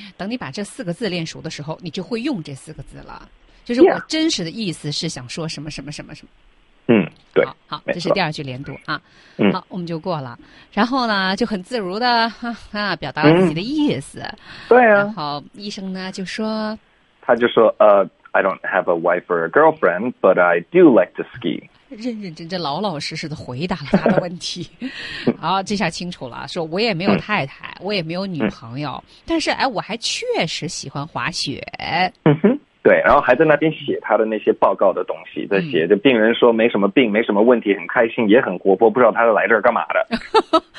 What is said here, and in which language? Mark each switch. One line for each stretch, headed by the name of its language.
Chinese: 等你把这四个字练熟的时候，你就会用这四个字了。就是我真实的意思是想说什么什么什么什么。对，好，这是第二句连读啊。好，我们就过了。然后呢，就很自如的表达了自己的意思。对啊。然后医生呢就说。他就说
English: I don't have a wife or a girlfriend, but I do like to ski.
Chinese: 认认真真、老老实实的回答了他的问题。好，这下清楚了，说我也没有太太，我也没有女朋友，但是我还确实喜欢滑雪。对，然后还在那边写他的那些报告的东西，在写，就病人说没什么病，没什么问题，很开心，也很活泼，不知道他是来这儿干嘛的。